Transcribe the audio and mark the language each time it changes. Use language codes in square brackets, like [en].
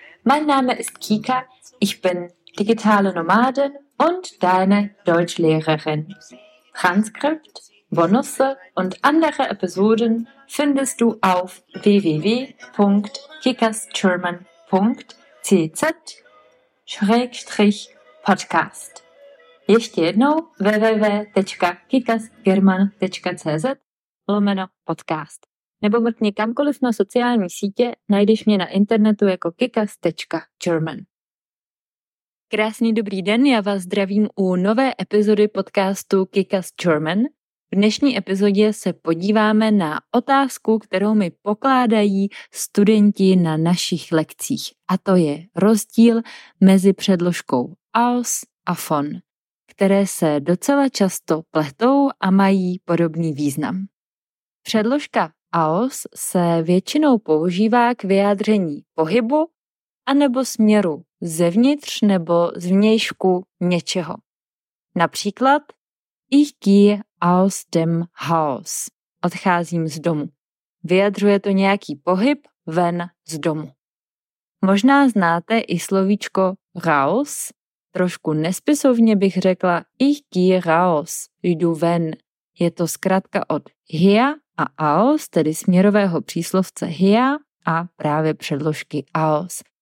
[de] Mein Name ist Kika, ich bin digitale Nomadin und deine Deutschlehrerin. Transkript, Bonusse und andere Episoden findest du auf www.kikasgerman.cz/podcast. [cs] Ještě jednou www.kikasgerman.cz/podcast. Nebo mrkni kamkoliv na sociální sítě, najdeš mě na internetu jako kikas.german. Krásný dobrý den, já vás zdravím u nové epizody podcastu Kikas German. V dnešní epizodě se podíváme na otázku, kterou mi pokládají studenti na našich lekcích. A to je rozdíl mezi předložkou aus a von, které se docela často pletou a mají podobný význam. Předložka aus se většinou používá k vyjádření pohybu anebo směru zevnitř nebo zvnějšku něčeho. [de] Například ich gehe aus dem Haus. [cs] Odcházím z domu. Vyjadřuje to nějaký pohyb ven z domu. Možná znáte i slovíčko raus. Trošku nespisovně bych řekla [de] ich gehe raus, [cs] jdu ven. Je to zkrátka od hier a aus, tedy směrového příslovce hier a právě předložky aus.